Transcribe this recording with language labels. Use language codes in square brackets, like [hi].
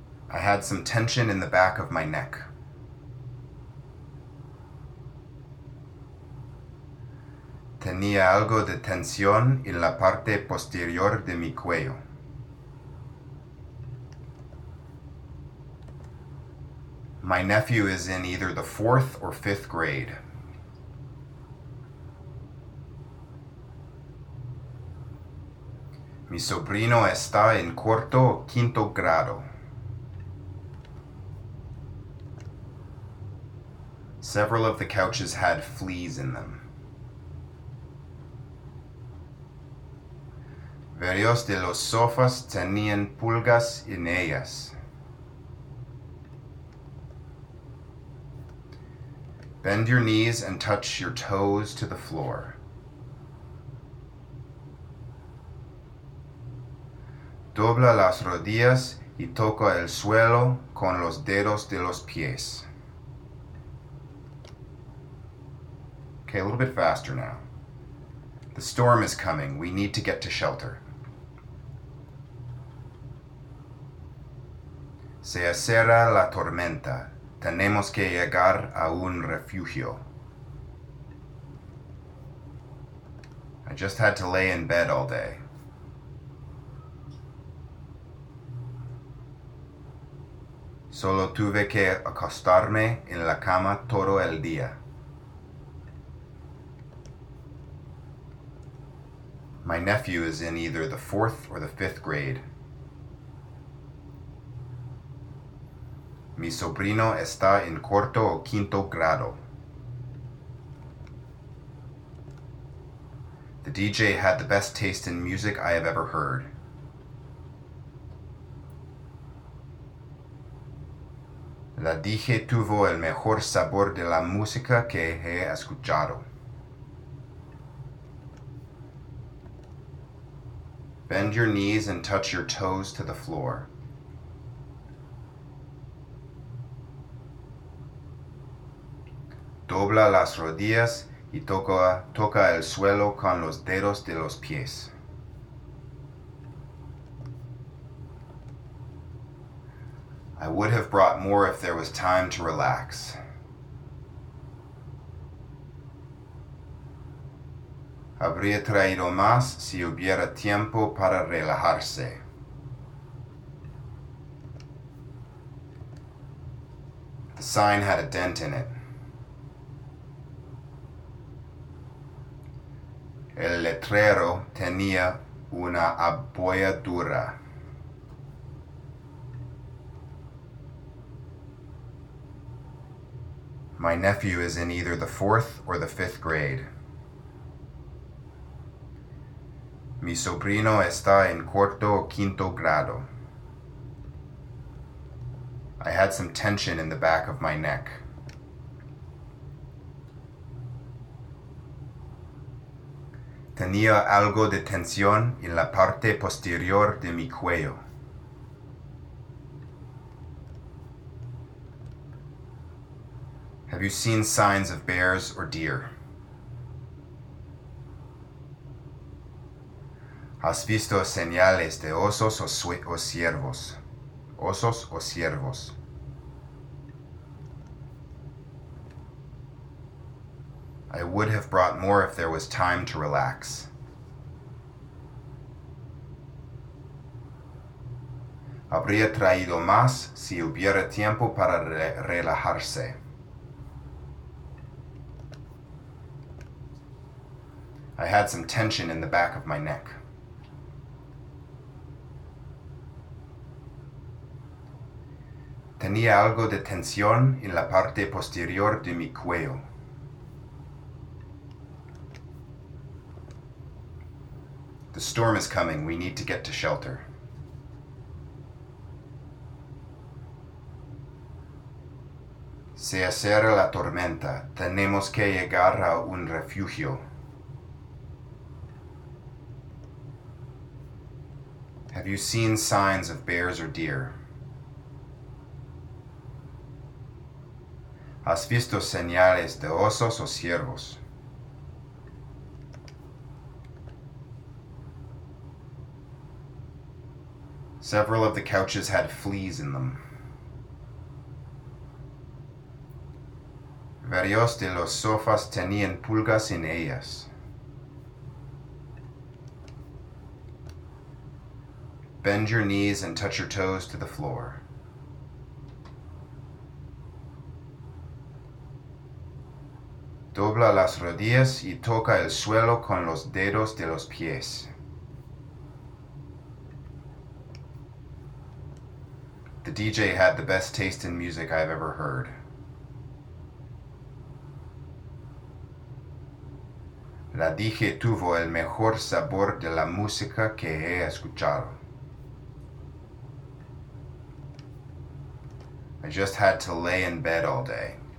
[en] I had some tension in the back of my neck. [es] Tenía algo de tensión en la parte posterior de mi cuello. [en] My nephew is in either the fourth or fifth grade. [es] Mi sobrino está en cuarto o quinto grado. [en] Several of the couches had fleas in them. [es] Varios de los sofás tenían pulgas en ellas. [en] Bend your knees and touch your toes to the floor. [es] Dobla las rodillas y toca el suelo con los dedos de los pies. [en] Okay, a little bit faster now. The storm is coming. We need to get to shelter. [es] Se acerca la tormenta. Tenemos que llegar a un refugio. [en] I just had to lay in bed all day. [es] Solo tuve que acostarme en la cama todo el día. [en] My nephew is in either the fourth or the fifth grade. [es] Mi sobrino está en cuarto o quinto grado. [en] The DJ had the best taste in music I have ever heard. [es] La DJ tuvo el mejor sabor de la música que he escuchado. [en] Bend your knees and touch your toes to the floor. [es] Dobla las rodillas y toca el suelo con los dedos de los pies. [en] I would have brought more if there was time to relax. [es] Habría traído más si hubiera tiempo para relajarse. [en] The sign had a dent in it. [es] El letrero tenía una abolladura. [en] My My nephew is in either the fourth or the fifth grade. [es] Mi sobrino está en cuarto o quinto grado. [en] I had some tension in the back of my neck. [es] Tenía algo de tensión en la parte posterior de mi cuello. [en] Have you seen signs of bears or deer? [es] ¿Has visto señales de osos o ciervos? Osos o ciervos. [en] I would have brought more if there was time to relax. [es] Habría traído más si hubiera tiempo para relajarse. [en] I had some tension in the back of my neck. [es] Tenía algo de tensión en la parte posterior de mi cuello. [en] The storm is coming. We need to get to shelter. [es] Se acerca la tormenta. Tenemos que llegar a un refugio. [en] Have you seen signs of bears or deer? [es] ¿Has visto señales de osos o ciervos? [en] Several of the couches had fleas in them. [es] Varios de los sofás tenían pulgas en ellas. [en] Bend your knees and touch your toes to the floor. [es] Dobla las rodillas y toca el suelo con los dedos de los pies. [en] The DJ had the best taste in music I've ever heard. [es] La DJ tuvo el mejor sabor de la música que he escuchado. [en] I just had to lay in bed all day.